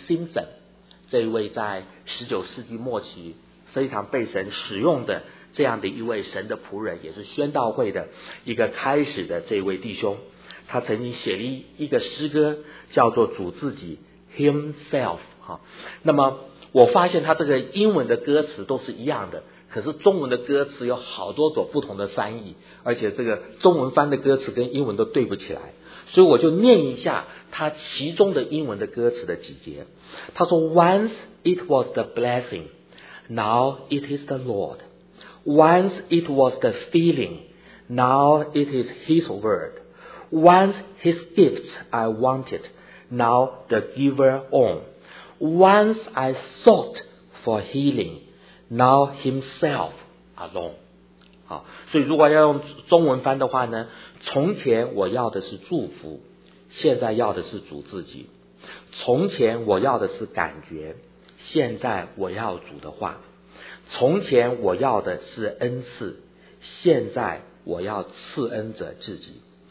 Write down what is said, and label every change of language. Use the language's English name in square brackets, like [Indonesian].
[Chinese] Simpson 这一位在19世纪末期非常被神使用的这样的一位神的仆人，也是宣道会的一个开始的这位弟兄，他曾经写了一个诗歌叫做主自己 Himself。那么我发现他这个英文的歌词都是一样的，可是中文的歌词有好多种不同的翻译，而且这个中文翻的歌词跟英文都对不起来，所以我就念一下他其中的英文的歌词的几节。他说， [English] Once it was the blessing, now it is the Lord. Once it was the feeling, now it is his word. Once his gifts I wanted, now the giver own. Once I sought for healing,Now himself alone。 [Chinese] 好，所以如果要用中文翻的话呢，从前我要的是祝福，现在要的是主自己。从前我要的是感觉，现在我要主的话。从前我要的是恩赐，现在我要赐恩者自己。